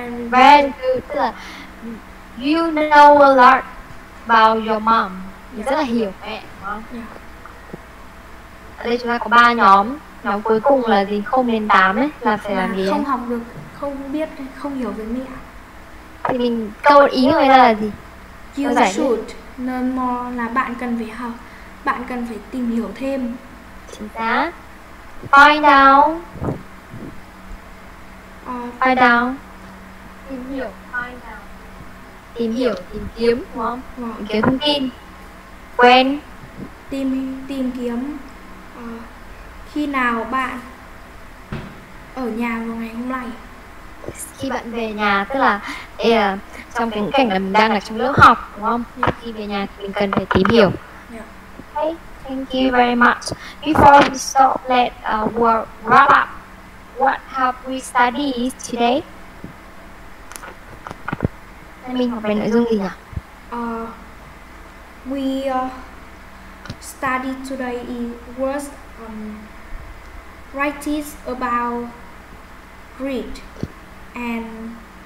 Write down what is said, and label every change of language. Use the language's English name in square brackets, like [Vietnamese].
[English] Very good, [Vietnamese] tức là [English] you know a lot about your mom. [Vietnamese] Mình rất là hiểu mẹ, đúng không? Yeah. Ở đây chúng ta có 3 nhóm. Nhóm cuối cùng là gì? 0 đến 8 ấy. Là phải làm gì? Không học được, không biết, không hiểu về mẹ. Thì mình câu ý của người ta là gì? [English] You should learn more. [Vietnamese] Là bạn cần phải học, bạn cần phải tìm hiểu thêm. Chính xác. [English] Find out. Find out. [Vietnamese] Tìm hiểu, [English] find out. [Vietnamese] Tìm hiểu, tìm kiếm, đúng không? Wow. Tìm kiếm thông tin. [English] When? [Vietnamese] Tìm kiếm. Khi nào bạn ở nhà vào ngày hôm nay? Khi bạn về nhà, tức là trong cái cảnh là mình đang ở trong lớp học, đúng không? Yeah. Khi về nhà thì mình cần phải tìm hiểu. Yeah. [English] Okay, thank you very much. Before we start, let wrap up. What have we studied today? [Vietnamese] mình học về nội dung gì nhỉ? [English] We studied today was writing about greed and